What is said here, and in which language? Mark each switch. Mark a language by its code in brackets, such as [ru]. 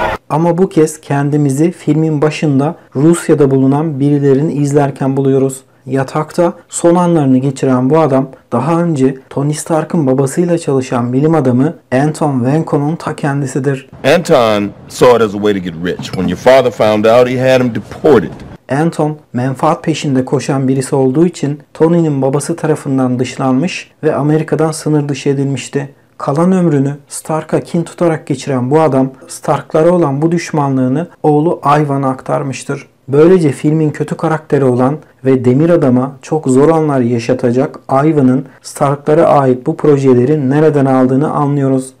[tr] Ama bu kez kendimizi filmin başında Rusya'da bulunan birilerini izlerken buluyoruz. Yatakta son anlarını geçiren bu adam daha önce Tony Stark'ın babasıyla çalışan bilim adamı Anton Vanko'nun ta kendisidir. [en] Anton saw it as a way to get rich. When your father found out, he had him deported. [tr] Anton, menfaat peşinde koşan birisi olduğu için Tony'nin babası tarafından dışlanmış ve Amerika'dan sınır dışı edilmişti. Kalan ömrünü Stark'a kin tutarak geçiren bu adam, Stark'lara olan bu düşmanlığını oğlu Ivan'a aktarmıştır. Böylece filmin kötü karakteri olan ve Demir Adam'a çok zor anlar yaşatacak Ivan'ın Stark'lara ait bu projeleri nereden aldığını anlıyoruz.